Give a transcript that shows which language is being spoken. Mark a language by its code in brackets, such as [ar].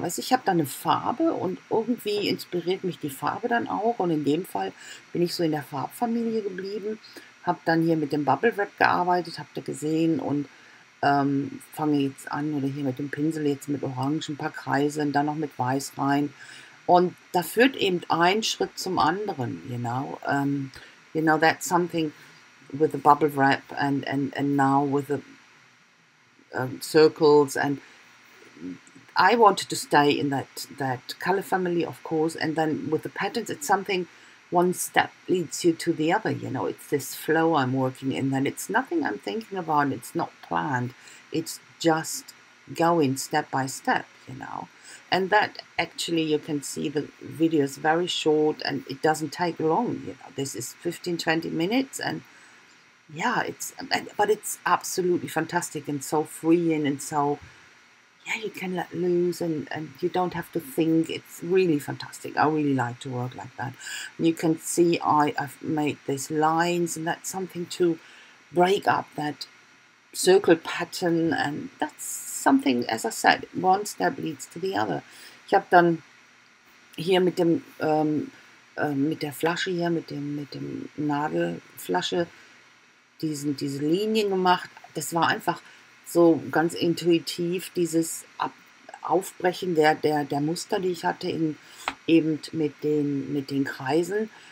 [de] Weißt, ich habe da eine Farbe und irgendwie inspiriert mich die Farbe dann auch. Und in dem Fall bin ich so in der Farbfamilie geblieben. Habe dann hier mit dem Bubble Wrap gearbeitet, habt ihr gesehen, und fange jetzt an, oder hier mit dem Pinsel jetzt mit Orange ein paar Kreise und dann noch mit Weiß rein. Und da führt eben ein Schritt zum anderen, [en] you know. You know, that's something with the Bubble Wrap and now with the circles. And I wanted to stay in that color family, of course, and then with the patterns, it's something... One step leads you to the other, you know. It's this flow I'm working in. And it's nothing I'm thinking about. It's not planned. It's just going step by step, you know. And that, actually, you can see the video is very short and it doesn't take long, you know. This is 15, 20 minutes. And, yeah, but it's absolutely fantastic and so freeing and so, yeah, you can let loose and you don't have to think. It's really fantastic. I really like to work like that. And you can see I've made these lines, and that's something to break up that circle pattern. And that's something, as I said, one step leads to the other. [de] Ich habe dann hier mit dem mit der Flasche hier, mit dem Nagelflasche, diese Linien gemacht. Das war einfach so ganz intuitiv, dieses Aufbrechen der Muster, die ich hatte, eben mit den Kreisen.